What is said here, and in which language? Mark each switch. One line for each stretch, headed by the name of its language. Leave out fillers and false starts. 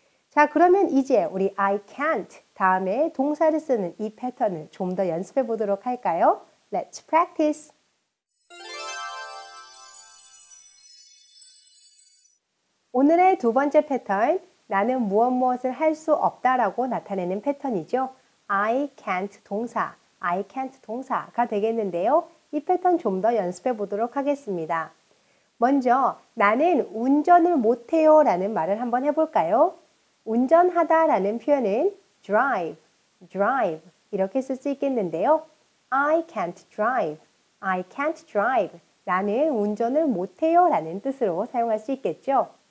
Korean: 자, 그러면 이제 우리 I can't 다음에 동사를 쓰는 이 패턴을 좀 더 연습해 보도록 할까요?
English: Let's practice. Yeah.
Korean: 오늘의 두 번째 패턴, 나는 무엇무엇을 할 수 없다라고 나타내는 패턴이죠. I can't 동사, I can't 동사가 되겠는데요. 이 패턴 좀 더 연습해 보도록 하겠습니다. 먼저 나는 운전을 못해요 라는 말을 한번 해볼까요? 운전하다 라는 표현은 drive, drive 이렇게 쓸 수 있겠는데요.
English: I can't drive, I can't drive
Korean: 나는 운전을 못해요 라는 뜻으로 사용할 수 있겠죠.